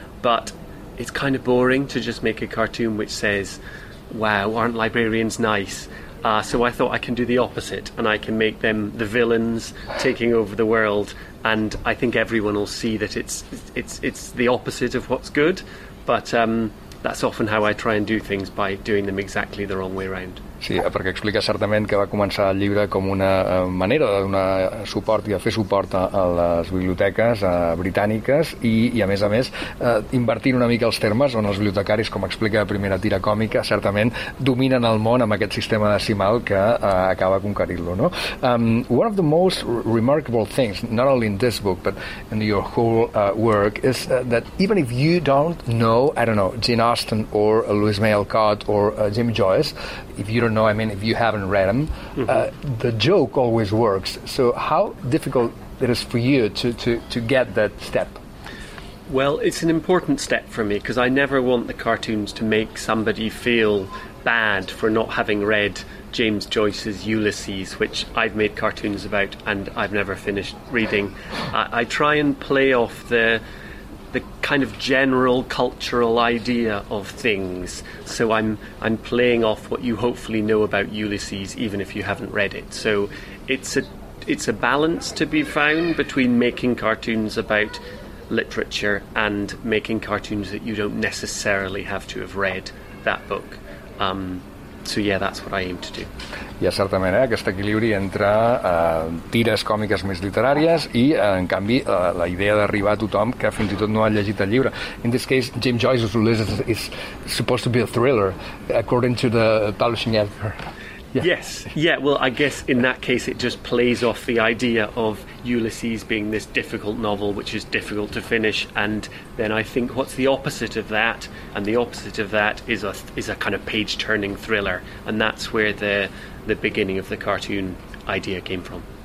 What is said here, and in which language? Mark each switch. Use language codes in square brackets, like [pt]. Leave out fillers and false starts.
[en] But it's kind of boring to just make a cartoon which says, wow, aren't librarians nice? So I thought I can do the opposite, and I can make them the villains taking over the world, and I think everyone will see that it's the opposite of what's good, but that's often how I try and do things, by doing them exactly the wrong way around. [ca] Sí, perquè explica certament que va començar el llibre com una manera de donar suport i de fer suport a les biblioteques britàniques i a més, invertint una mica els termes, on els bibliotecaris, com explica la primera tira còmica, certament dominen el món amb aquest sistema decimal que acaba conquerint-lo, no? [en] One of the most remarkable things, not only in this book, but in your whole work, is that even if you don't know, I don't know, Jane Austen or Lewis May Alcott or Jim Joyce, if you don't know, I mean, if you haven't read them, the joke always works. So how difficult it is for you to get that step? Well, it's an important step for me, because I never want the cartoons to make somebody feel bad for not having read James Joyce's Ulysses, which I've made cartoons about and I've never finished reading. I try and play off the kind of general cultural idea of things. So I'm playing off what you hopefully know about Ulysses, even if you haven't read it. So it's a balance to be found between making cartoons about literature and making cartoons that you don't necessarily have to have read that book. So yeah, that's what I aim to do. [ca] Hi ha certament aquest equilibri entre tires còmiques més literàries i, en canvi, la idea d'arribar a tothom que fins i tot no ha llegit el llibre. [en] In this case, James Joyce's Ulysses is supposed to be a thriller, according to the publishing editor. Yeah. Yes, yeah, well, I guess in that case it just plays off the idea of Ulysses being this difficult novel which is difficult to finish, and then I think what's the opposite of that, and the opposite of that is a kind of page-turning thriller, and that's where the beginning of the cartoon idea came from.